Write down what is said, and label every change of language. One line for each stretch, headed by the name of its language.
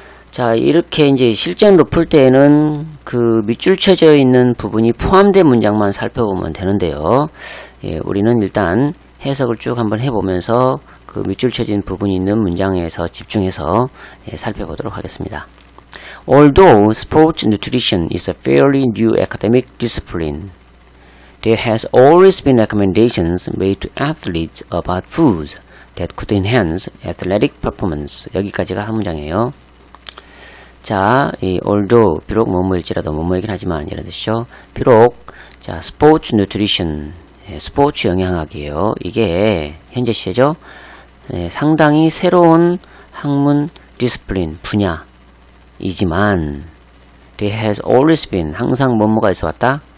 Korean: 자, 이렇게 이제 실전으로 풀 때에는 그 밑줄 쳐져 있는 부분이 포함된 문장만 살펴보면 되는데요. 예, 우리는 일단 해석을 쭉 한번 해보면서 그 밑줄 쳐진 부분이 있는 문장에서 집중해서 예, 살펴보도록 하겠습니다.
English: Although sports nutrition is a fairly new academic discipline, there has always been recommendations made to athletes about foods that could enhance athletic performance.
Korean: 여기까지가 한 문장이에요. 자, 이 although 비록 뭐뭐일지라도 뭐뭐이긴 하지만 이런 뜻이죠. 비록 자, sports nutrition, 스포츠 영양학이에요. 이게 현재 시제죠. 네, 상당히 새로운 학문 discipline 분야이지만
English: there has always been
Korean: 항상 뭐뭐가 있어 왔다.